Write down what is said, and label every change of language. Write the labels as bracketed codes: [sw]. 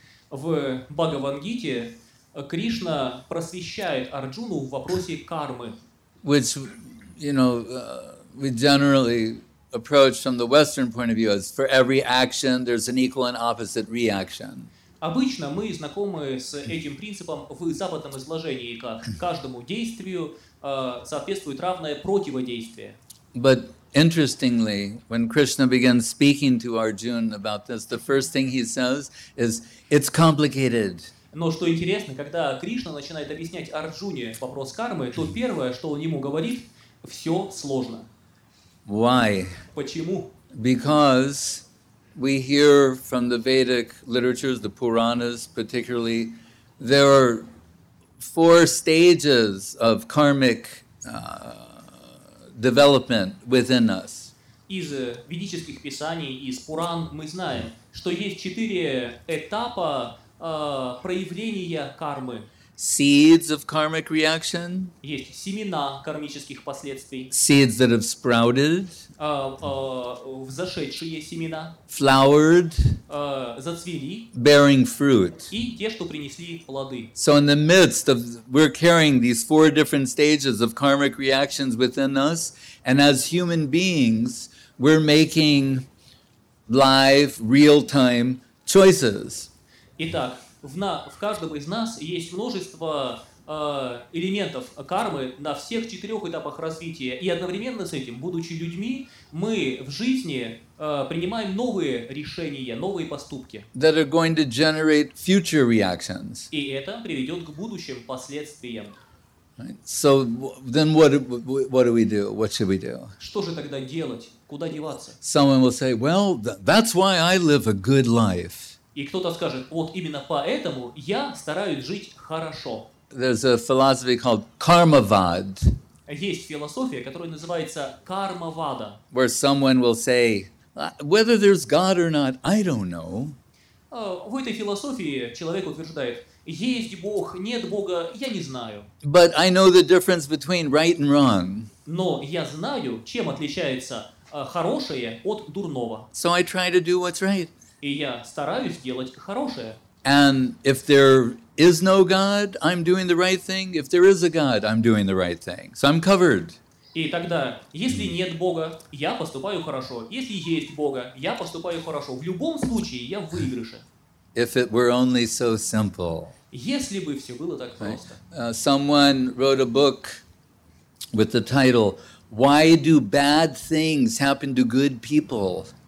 [ru] В Бхагавад-гите Кришна просвещает Арджуну в вопросе кармы. [en] Which, you know, we generally approach from the Western point of view as for every action there's an equal and opposite reaction. [ru] Обычно мы знакомы с этим принципом в западном изложении, как каждому действию соответствует равное противодействие. [en] But interestingly, when Krishna begins speaking to Arjuna about this, the first thing he says is, it's complicated. [ru] Но что интересно, когда Кришна начинает объяснять Арджуне вопрос кармы, то первое, что он ему говорит, все сложно. [en] Why? [ru] Почему? [en] Because we hear from the Vedic literatures, the Puranas particularly, there are four stages of karmic development within us. [ru] Из ведических писаний, из Пуран мы знаем, что есть четыре этапа проявления кармы. [en] Seeds of karmic reaction. [ru] Есть семена кармических последствий. [en] Seeds that have sprouted. [ru] Взошедшие семена. [en] Flowered. [ru] Зацвели. [en] Bearing fruit. [ru] И те, что принесли плоды. [en] So in the midst of, we're carrying these four different stages of karmic reactions within us, and as human beings, we're making live, real-time choices. [ru] Итак, в каждом из нас есть множество элементов кармы на всех четырех этапах развития. И одновременно с этим, будучи людьми, мы в жизни принимаем новые решения, новые поступки. [en] That are going to generate future reactions. [ru] И это приведет к будущим последствиям. [en] Right. So then what do we do? What should we do? [ru] Что же тогда делать? Куда деваться? [en] Someone will say, well, that's why I live a good life. [ru] И кто-то скажет, вот именно поэтому я стараюсь жить хорошо. [en] There's a philosophy called Karmavad. [ru] Есть философия, которая называется Кармавада. [en] Where someone will say, whether there's God or not, I don't know. [ru] В этой философии человек утверждает, есть Бог, нет Бога, я не знаю. [en] But I know the difference between right and wrong. [ru] Но я знаю, чем отличается хорошее от дурного. [en] So I try to do what's right. [ru] И я стараюсь делать хорошее. [en] And if there is no God, I'm doing the right thing. If there is a God, I'm doing the right thing. So I'm covered. [ru] И тогда, если нет Бога, я поступаю хорошо. Если есть Бога, я поступаю хорошо. В любом случае, я в выигрыше. [en] If it were only so simple. [ru] Если бы все было так просто. [en] Someone wrote a book with the title, Why do bad things happen to good people?